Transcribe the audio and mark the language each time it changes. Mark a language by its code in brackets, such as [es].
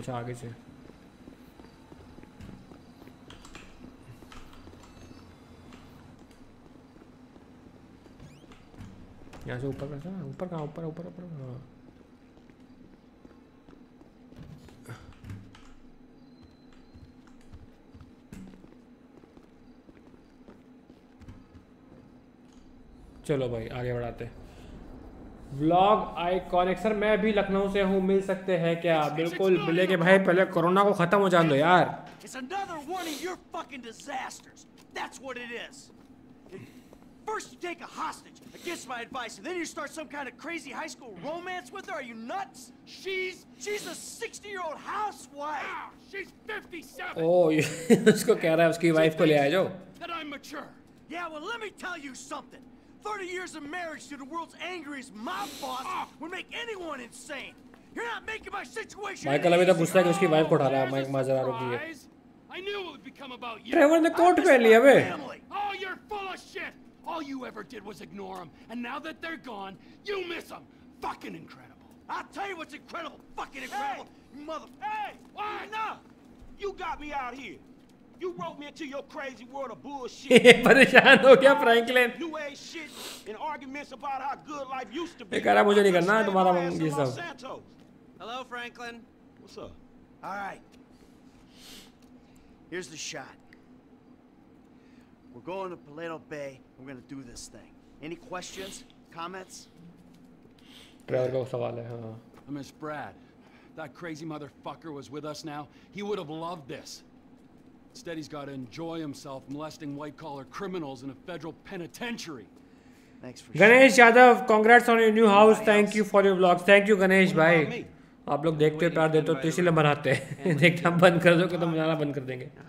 [hi] अच्छा आगे से यहाँ से ऊपर कैसे, ऊपर कहाँ, ऊपर ऊपर ऊपर, हाँ चलो भाई आगे बढ़ाते। व्लॉग आइकॉनिक सर, मैं भी लखनऊ से हूँ, मिल सकते हैं क्या। बिल्कुल मिले के भाई, पहले कोरोना को खत्म हो जान दो यार। [en] It's another one of your fucking disasters. That's what it is. First you take a hostage against my advice, and then you start some kind of crazy high school romance with her. Are you nuts? She's a 60-year-old housewife. Wow, she's 57. [hi] Oh, उसको कह रहा है उसकी wife को ले आ जाओ. [en] That I'm mature. Yeah, well let me tell you something. 30 years of marriage to the world's angriest mob boss would make anyone insane. You're not making my situation. [hi] Michael अभी तक गुस्सा कि उसकी वाइफ को उठा रहा है, माइक माजरा रुक गया। [en] I knew it would become about you. [hi] Trevor ने कोट पहन लिया बे. [en] Oh, you're full of shit. All you ever did was ignore them, and now that they're gone, you miss them. Fucking incredible. I'll tell you what's incredible. Fucking incredible. Hey! Mother. Hey! Why not? You got me out here. You wrote me into your crazy world of bullshit. [hi] परेशान हो गया Franklin. [en] New age shit and arguments about how good life used to be. [hi] कह रहा मुझे नहीं करना तुम्हारा ये सब. [en] Hello, Franklin. What's up? All right. Here's the shot. We're going to Paleto Bay. We're going to do this thing. Any questions? Comments? [hi] Trevor का सवाल है, हाँ। [en] I miss Brad. That crazy motherfucker was with us now. He would have loved this. Instead, he's got to enjoy himself molesting white-collar criminals in a federal penitentiary. [hi] Ganesh Yadav [en] congrats on your new house, thank you for your vlogs, [hi] thank you Ganesh भाई, आप लोग देखते हो प्यार देते हो तो इसीलिए बनाते हैं, देखते हम बंद कर दो तो मजाना बंद कर देंगे।